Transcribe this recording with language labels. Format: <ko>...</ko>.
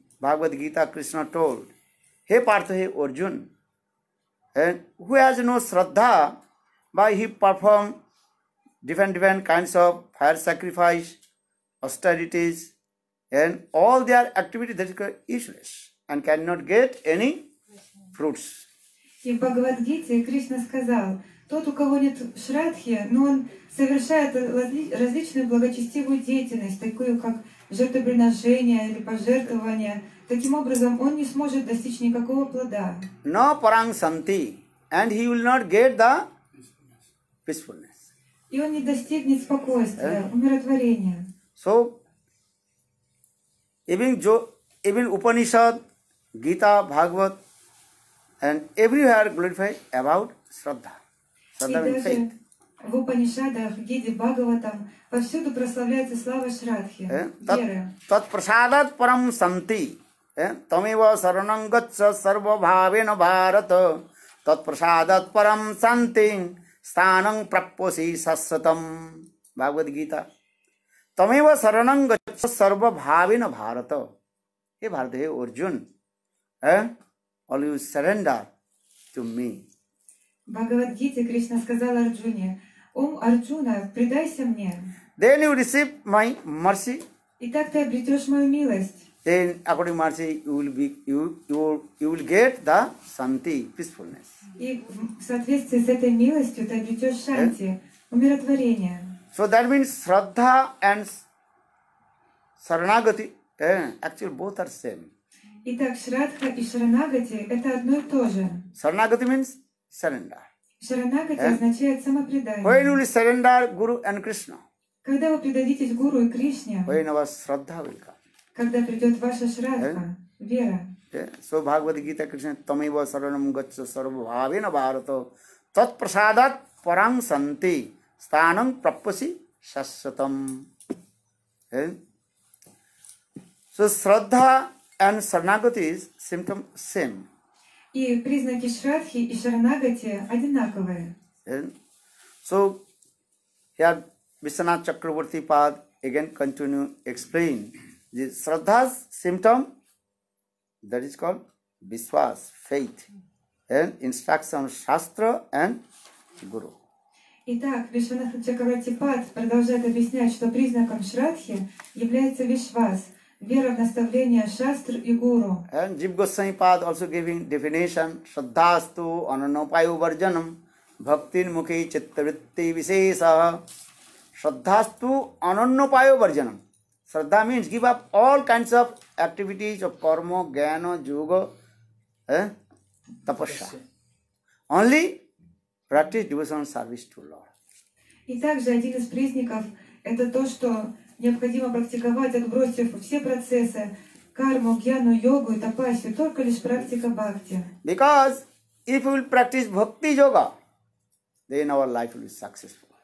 <en>Bhagavad Gita Krishna told, Hey Partha, hey Arjun, and who has no Shraddha, why he perform different kinds of fire sacrifice, austerities, and all their activities that are useless and cannot get any fruits.</en> <ru>И в Бхагавад-гите Кришна сказал, тот, у кого нет Шраддхи, но он совершает различную благочестивую деятельность, такую как жертвоприношение или пожертвование, таким образом, он не сможет достичь никакого плода.</ru> <en>No parang santi, and he will not get the peacefulness.</en> <ru>И он не достигнет спокойствия, умиротворения.</ru> <en>So, even Upanishad, Gita, Bhagavad, and everywhere glorified about Shraddha. Shraddha means faith.</en> <ru>В Упанишадах, Гиде, Бхагаватам повсюду прославляется слава Шраддхи, веры.</ru> <sa>Тат прасадат парам санти. Тамива саранам гатча сарва бхавена бхарата тат прасадат парам санти станам праппоси сасватам. Бхагавад Гита. Тамива саранам гатча сарва бхавена бхарата. Хе Бхарата, хе Арджун.</sa> <en>All you surrender to me.</en> <ru>Бхагавад Гите Кришна сказал Арджуне, Ом Арджуна, предайся мне.</ru> <en>Then you receive my mercy</en> <ru>И так ты обретешь мою милость.</ru> <en>Then, according to Maharshi, you will get the shanti, peacefulness.</en> <ru>И в соответствии с этой милостью ты обретешь шанти, умиротворение.</ru> <en>So that means Shraddha and Saranagati, actually both are same.</en> <ru>Итак, Shraddha и Saranagati это одно и то же.</ru> <en>Saranagati means surrender.</en> <ru>Saranagati означает самопредание.</ru> <en>When will you surrender Guru and Krishna?</en> <ru>Когда вы предадитесь Гуру и Кришне?</ru> <en>When our Shraddha will come.</en> <ru>Когда придет ваша Shraddha, вера.</ru> <en>Yeah. So Bhagavad Gita Krishna,</en> <sa>Tameva Saranam Gacha Sarvabhavena Bharata, Tat Prasadat Parang Santi. Stanam prapasi shashvatam.</sa> <en>So Shraddha and Saranagati is symptom same.</en> <ru>И признаки Shraddhi и Saranagati одинаковые.</ru> <en>So here Vishwanath Chakravarti Pad again continue explain the Shraddha's symptom that is called Vishwas, faith. And instruction Shastra and Guru.</en> <ru>Итак, Вишванатха Чакравати Пад продолжает объяснять, что признаком Шраддхи является Вишвас, вера в наставление Шастр и Гуру.</ru> <en>And Jiva Goswami Pad also giving definition,</en> <sa>Shraddhastu Ananopayo Varjanam Bhaktin Mukhi Chittavritti Visesa. Shraddhastu Ananopayo Varjanam.</sa> <en>Shraddha means give up all kinds of activities of karma, jnana, yoga, tapasya. Only practice devotional service to Lord.</en> <ru>И также один из признаков это то, что необходимо практиковать, отбросив все процессы карму, гьяну, йогу и тапасю, только лишь практика бхакти.</ru> <en>Because if you will practice bhakti yoga, then our life will be successful.</en>